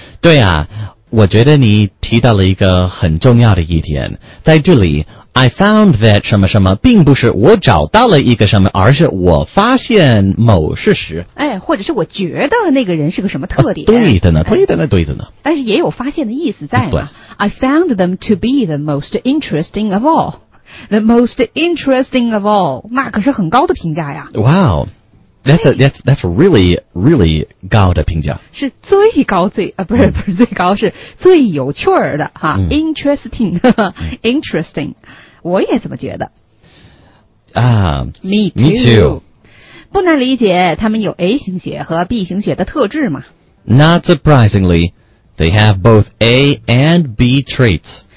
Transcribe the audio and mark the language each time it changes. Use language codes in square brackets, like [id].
[zh] 对啊，我觉得你提到了一个很重要的一点。在这里 ， [en] I found that [zh] 什么什么，并不是我找到了一个什么，而是我发现某事实。哎，或者是我觉得那个人是个什么特点？对的呢。但是也有发现的意思在嘛。 [en] I found them to be the most interesting of all. The most interesting of all, [zh] 那可是很高的评价呀。 [en] Wow, that's a really, really [zh] 高的评价。是最高最啊，不是、嗯、不是最高，是最有趣儿的哈、嗯、，interesting, interesting。我也这么觉得。啊、 [en] me too. [zh] 不难理解，他们有 A 型血和 B 型血的特质嘛。 [en] Not surprisingly, they have both A and B traits.